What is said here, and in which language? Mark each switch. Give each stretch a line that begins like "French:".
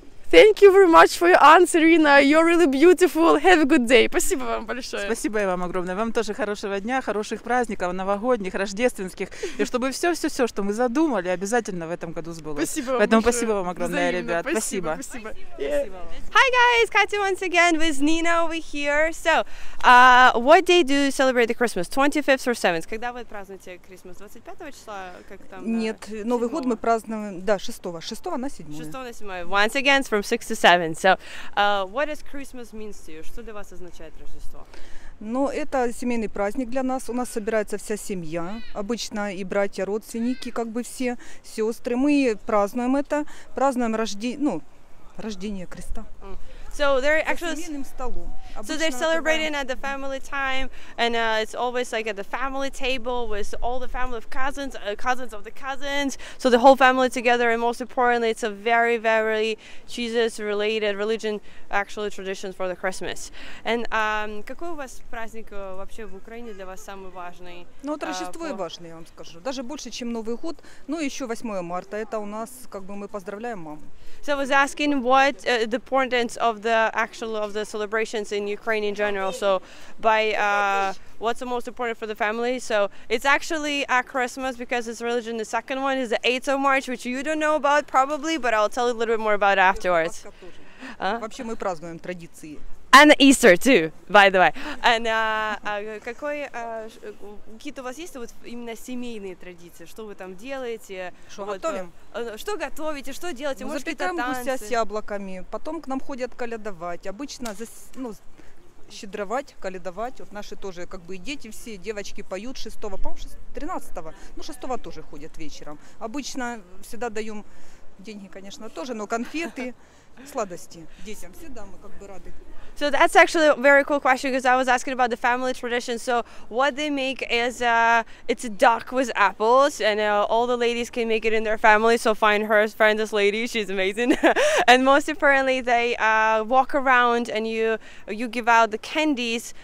English: Thank you very much for your answer, Irina. You're really beautiful. Have a good day.
Russian: Спасибо вам большое. Спасибо и вам огромное. Вам тоже хорошего дня, хороших праздников, новогодних, рождественских. И чтобы все, что мы задумали, обязательно в этом году сбылось. Спасибо вам Поэтому большое. Спасибо вам огромное, взаимно. Ребят. Спасибо. Спасибо. Спасибо.
English: Yeah. Hi, guys. Katya once again with Nina over here. So, what day do you celebrate the Christmas? 25th or 7th?
Russian: Когда вы празднуете Christmas? 25 числа? Как там? Нет, да? Новый 7-го. Год мы празднуем, да, 6-го. 6-го на 7-е. 6-го на 7-е. Once again, from 6 to 7. So, what does Christmas mean to you? Что для вас означает Рождество? Ну, это семейный праздник для нас. У нас собирается вся семья. Обычно и братья, родственники, как бы все, сестры. Мы празднуем это. Празднуем рождение Креста.
English: So they're celebrating at the family time, and it's always like at the family table with all the family of cousins, cousins of the cousins. So the whole family together, and most importantly, it's a very, very Jesus-related religion, actually tradition for the Christmas. And
Russian: какой у вас праздник вообще в Украине для вас самый важный? Ну, это Рождество и важное, я вам скажу. Даже больше, чем Новый год. Ну, еще 8 марта. Это у нас, как бы, мы поздравляем маму.
English: So I was asking what the importance of the actual of the celebrations in Ukraine in general. So by what's the most important for the family? So it's actually at Christmas because it's religion. The second one is the 8th of March, which you don't know about probably, but I'll tell you a little bit more about it afterwards.
Russian: Вообще мы празднуем традиции.
English: And Easter too, by the way. And
Russian: какой какие-то у вас есть вот именно семейные традиции? Что вы там делаете? Что вот, готовим? Что готовите? Что делаете? Ну, запекаем гуся с яблоками. Потом к нам ходят колядовать. Обычно ну, щедровать, колядовать. Вот наши тоже как бы и дети все, девочки поют 6-го, по-моему, 13-го. Ну, 6-го тоже ходят вечером. Обычно всегда даем деньги, конечно, тоже, но конфеты. Сладости детям всегда мы как бы рады.
English: So that's actually a very cool question because I was asking about the family tradition. So what they make is it's a duck with apples, and all the ladies can make it in their family. So find her, find this lady, she's amazing. And most importantly, they walk around and you give out the candies.